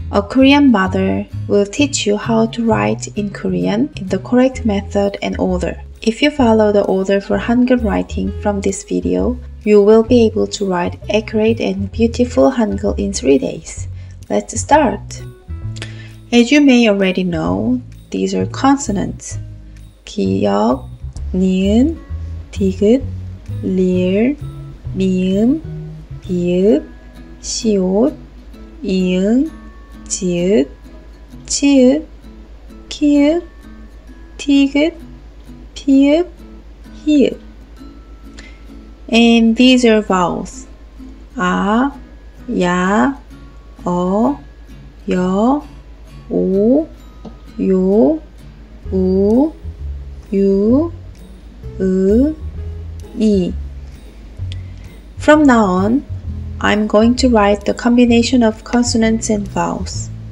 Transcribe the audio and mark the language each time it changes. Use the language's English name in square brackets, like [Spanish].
[English] A Korean mother will teach you how to write in Korean in the correct method and order. If you follow the order for Hangul writing from this video, you will be able to write accurate and beautiful Hangul in 3 days. Let's start! As you may already know, these are consonants. [Korean] 기역, 니은, 디귿, 리을, 미음, 비읍, 시옷, 이응, 지읒, 치읒, 키읒, 디귿, 비읍, 히읍. [English] And these are vowels. [Korean] 아, 야, 어, 여, 오, 요, 우, 유, 으, 이. [English] From now on, I'm going to write the combination of consonants and vowels.